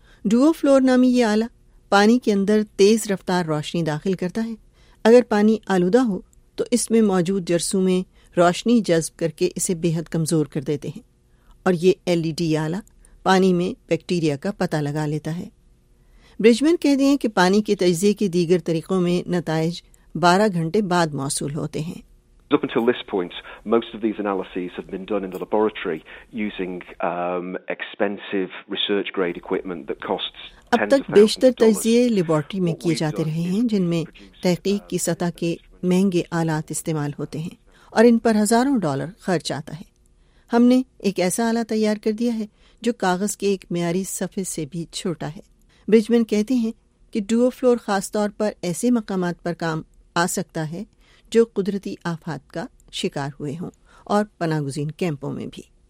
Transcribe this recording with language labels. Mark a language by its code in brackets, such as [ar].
[ur] Duve floor نامی یہ آلہ پانی کے اندر تیز رفتار روشنی داخل کرتا ہے۔ اگر پانی آلودہ ہو تو اس میں موجود جرثومیں روشنی جذب کر کے اسے بے حد کمزور کر دیتے ہیں، اور یہ ایل ای ڈی آلہ پانی میں بیکٹیریا کا پتہ لگا لیتا ہے۔ برجمن کہتے ہیں کہ پانی کے تجزیے کے دیگر طریقوں میں نتائج 12 گھنٹے بعد موصول ہوتے ہیں۔ [en] Up until this point, most of these analyses have been done in the laboratory using expensive research-grade equipment that costs tens of thousands of dollars. [ur] اب تک بیشتر تجزیے لیبارٹری میں کیے جاتے رہے ہیں، جن میں تحقیق کی سطح کے مہنگے آلات استعمال ہوتے ہیں اور ان پر ہزاروں ڈالر خرچ آتا ہے۔ ہم نے ایک ایسا آلہ تیار کر دیا ہے جو کاغذ کے ایک معیاری صفحے سے بھی چھوٹا ہے۔ برجمن کہتے ہیں کہ ڈوو فلور خاص طور پر ایسے مقامات پر کام آ سکتا ہے جو قدرتی آفات کا شکار ہوئے ہوں، اور پناہ گزین کیمپوں میں بھی۔